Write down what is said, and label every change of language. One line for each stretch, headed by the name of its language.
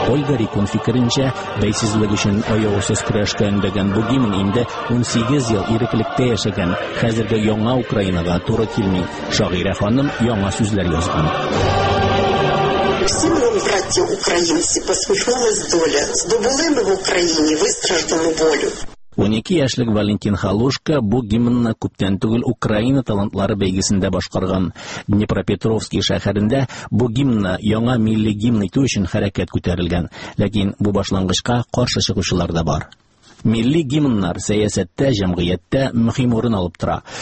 Tatar: Рекун фикеренчә, бәйсезлек өчен аяусыз көрәшкә өндәгән бу гимн инде 18 ел иреклектә яшәгән хәзерге яңа Украинага туры килми. Шагыйрә ханым яңа сүзләр язган.
Ukrainian: Всім нам, браття українці, посміхнулась доля. Здобули ми в Україні вистраждану волю.
Tatar: 12 яшьлек Валентин Халушка бу гимнны күптән түгел Украина талантлары бәйгесендә башкарган. Днепропетровский шәһәрендә бу гимнны яңа милли гимн итү өчен хәрәкәт күтәрелгән, ләкин бу башлангычка каршы чыгучылар да бар. Милли гимннар сәясәттә, җәмгыятьтә мөһим урын алып тора.